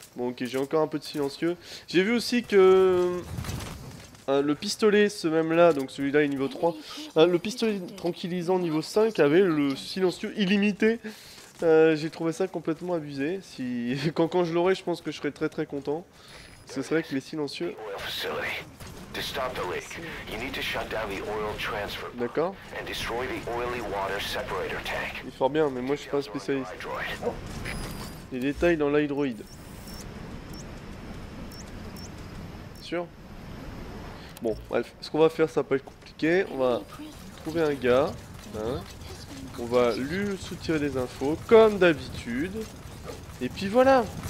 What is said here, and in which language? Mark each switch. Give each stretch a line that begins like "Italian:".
French: Bon, ok, j'ai encore un peu de silencieux. J'ai vu aussi que... le pistolet, ce même-là, donc celui-là est niveau 3. Le pistolet tranquillisant niveau 5 avait le silencieux illimité. J'ai trouvé ça complètement abusé. Si... Quand je l'aurai, je pense que je serai très très content. Parce que c'est vrai que les silencieux...
English: to stop the leak, you need to shut down the oil transfer pump and destroy the oily water separator tank.
French: Il fort bien, mais moi je suis pas spécialiste. Les détails dans l'hydroïde. Sûr. Bon, bref, ce qu'on va faire, ça va pas être compliqué. On va trouver un gars. Hein. On va lui soutirer des infos, comme d'habitude. Et puis voilà.